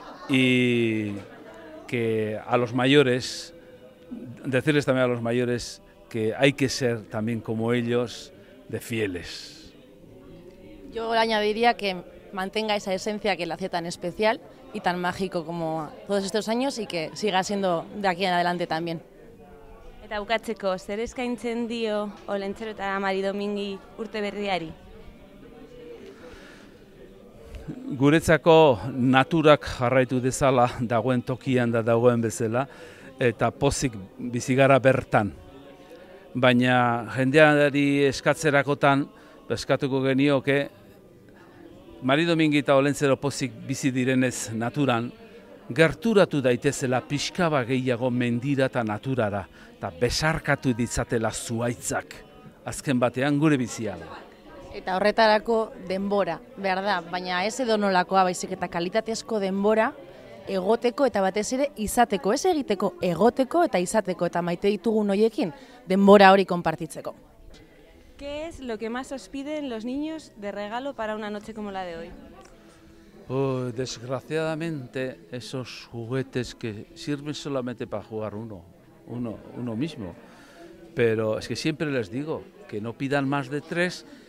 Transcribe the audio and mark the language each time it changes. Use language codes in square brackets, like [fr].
[es] Y que a los mayores, decirles también a los mayores que hay que ser también como ellos, de fieles. Yo añadiría que mantenga esa esencia que la hace tan especial y tan mágico como todos estos años y que siga siendo de aquí en adelante también. [eu] Eta bukatzeko, zer eskaintzen dio Olentzero eta Maridomingui urte berriari? Guretzako naturak jarraitu dezala, dagoen tokian da dagoen bezala, eta pozik bizigara bertan. Baina jendeari eskatzerakotan, eskatuko genioke, Maridomingui eta Olentzero pozik bizi direnez naturan, gerturatu daitezela pixka bat gehiago mendira eta naturara, eta besarkatu ditzatela zuhaitzak, azken batean gure biziala. Eta horretarako denbora, behar da, baina ez edonolakoa baizik eta kalitatezko denbora egoteko eta batez ere izateko, ez egiteko, egoteko eta izateko eta maite ditugun hoiekin denbora hori konpartitzeko. [es] ¿Qué es lo que más os piden los niños de regalo para una noche como la de hoy? Desgraciadamente esos juguetes que sirven solamente para jugar uno mismo, pero es que siempre les digo que no pidan más de tres.